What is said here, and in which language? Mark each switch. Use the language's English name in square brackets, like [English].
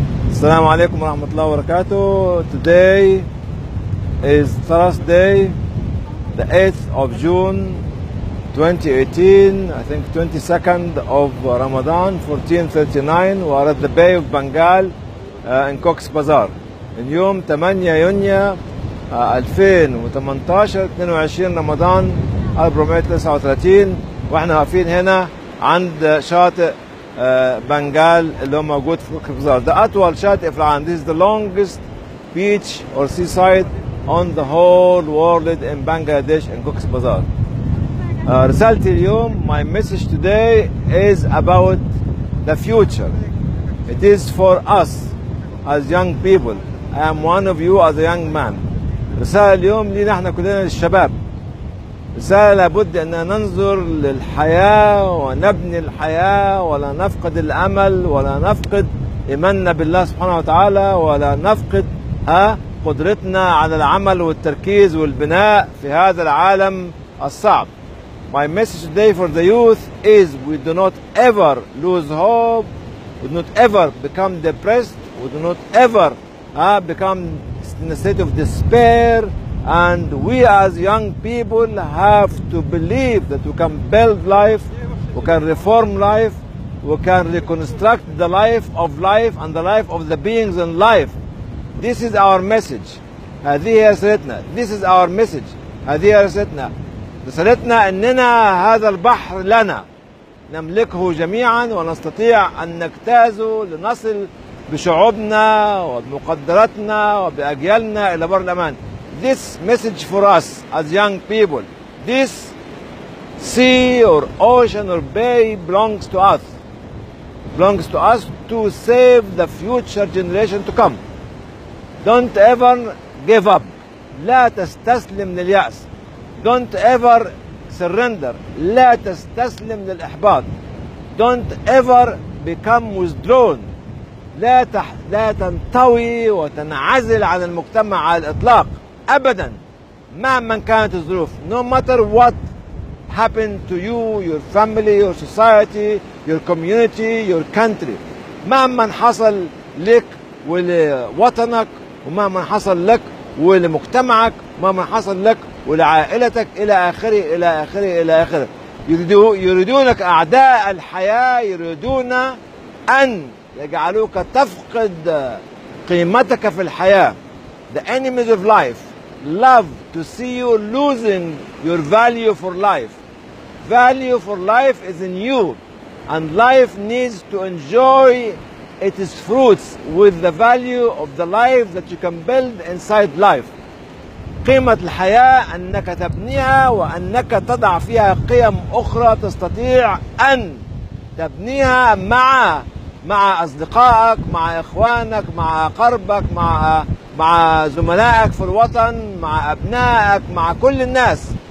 [Arabic] السلام عليكم ورحمة الله وبركاته. [English] Today is Thursday, the 8th of June 2018, I think 22nd of Ramadan 1439. We are at the Bay of Bengal in Cox Bazar. [Arabic] اليوم 8 يونيو 2018 22 رمضان 439، واحنا واقفين هنا عند شاطئ بنغال اللي هو موجود في كوكب زار. The أطول شاطئ في العالم. [English] This is the longest beach or seaside on the whole world in Bangladesh in Cox's Bazar. [Arabic] رسالتي اليوم, [English] my message today is about the future. It is for us as young people. I am one of you as a young man. [Arabic] رسالة اليوم لينا احنا كلنا للشباب. رسالة لابد أن ننظر للحياة ونبني الحياة ولا نفقد الأمل ولا نفقد إيماننا بالله سبحانه وتعالى ولا نفقد قدرتنا على العمل والتركيز والبناء في هذا العالم الصعب. [English] My message today for the youth is we do not ever lose hope, we do not ever become depressed, we do not ever become in a state of despair. And we as young people have to believe that we can build life, we can reform life, we can reconstruct the life of life and the life of the beings in life. This is our message. [Arabic] هذه هي رسالتنا. [English] This is our message. هذه هي رسالتنا. [Arabic] رسالتنا أننا هذا البحر لنا. نملكه جميعا ونستطيع أن نجتازه لنصل بشعوبنا وبمقدراتنا وبأجيالنا إلى بر الأمان. [English] This message for us as young people, this sea or ocean or bay belongs to us. Belongs to us to save the future generation to come. Don't ever give up. [Arabic] لا تستسلم لليأس. [English] Don't ever surrender. [Arabic] لا تستسلم للإحباط. [English] Don't ever become withdrawn. [Arabic] لا تنطوي وتنعزل عن المجتمع على الإطلاق. ابدا مهما كانت الظروف. [English] No matter what happened to you, your family, your society, your community, your country. [Arabic] مهما حصل لك ولوطنك ومهما حصل لك ولمجتمعك ومهما حصل لك ولعائلتك الى اخره الى اخره الى اخره. يريدونك اعداء الحياه يريدون ان يجعلوك تفقد قيمتك في الحياه. [English] The enemies of life love to see you losing your value for life. Value for life is in you, and life needs to enjoy its fruits with the value of the life that you can build inside life. [Arabic] قيمة الحياة أنك تبنيها وأنك تضع فيها قيم أخرى تستطيع أن تبنيها مع أصدقائك, مع إخوانك, مع أقربك, مع زملائك في الوطن, مع أبنائك, مع كل الناس.